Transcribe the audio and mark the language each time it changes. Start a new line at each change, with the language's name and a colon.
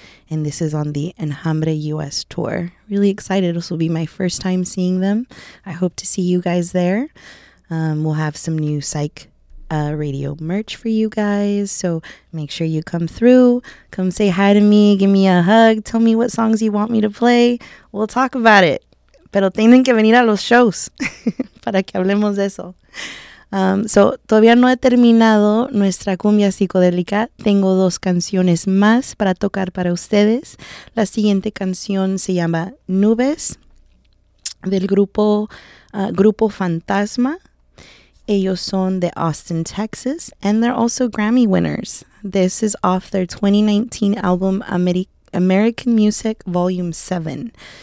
English: And this is on the Enjambre US tour. Really excited. This will be my first time seeing them. I hope to see you guys there. We'll have some new Psych radio merch for you guys. So make sure you come through. Come say hi to me. Give me a hug. Tell me what songs you want me to play. We'll talk about it.
Spanish: Pero tienen que venir a los shows para que hablemos de eso. Todavía no he terminado nuestra cumbia psicodélica. Tengo dos canciones más para tocar para ustedes. La siguiente canción se llama Nubes, del grupo Fantasma. Ellos son de Austin, Texas,
English: and they're also Grammy winners. This is off their 2019 album American Music Volume 7.